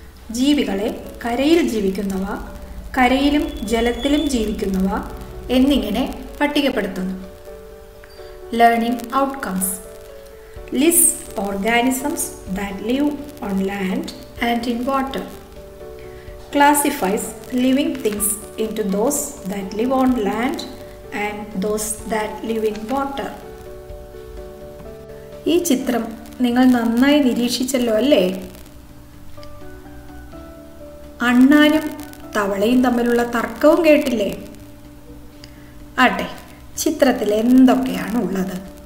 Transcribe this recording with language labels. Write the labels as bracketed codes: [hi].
[ml] ജീവികളെ കരയിൽ ജീവിക്കുന്നവ, കരയിലും ജലത്തിലും ജീവിക്കുന്നവ എന്നിങ്ങനെ പട്ടികപ്പെടുത്തുന്നു. [en] Learning outcomes. List organisms that live on land and in water. Classifies living things into those that live on land and those that live in water. [ml] ഈ ചിത്രം നിങ്ങൾ നന്നായി നിരീക്ഷിച്ചല്ലോ അല്ലേ? അണ്ണാനും തവളയും തമ്മിലുള്ള തർക്കവും കേട്ടില്ലേ? ആട്ടെ, ചിത്രത്തിൽ എന്തൊക്കെയാണ് ഉള്ളത്?